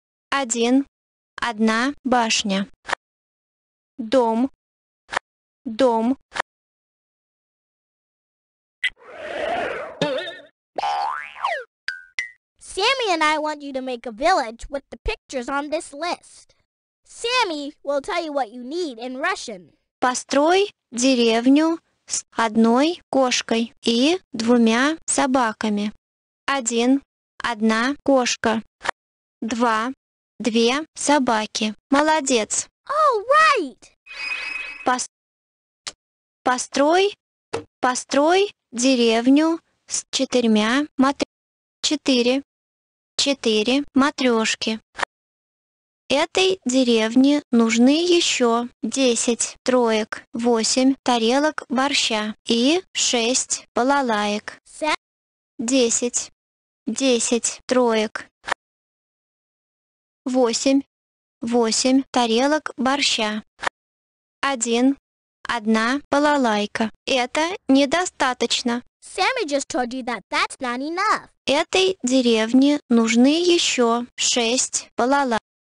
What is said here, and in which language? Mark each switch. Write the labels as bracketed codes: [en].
[ru] Один. Одна башня. Дом. Дом. [en] Sammy and I want you to make a village with the pictures on this list. Sammy will tell you what you need in Russian. [ru] Построй деревню с одной кошкой и двумя собаками. Один. Одна кошка. Два. Две собаки. Молодец. [en] All right. [ru] Построй деревню с четырьмя четыре матрешки. Этой деревне нужны еще 10 троек, 8 тарелок борща и 6 балалаек. 10. Десять троек. Восемь. Восемь тарелок борща. Один. Одна балалайка. Это недостаточно. [en] Sammy just told you that that's not enough. [ru] Этой деревне нужны еще шесть балалайк.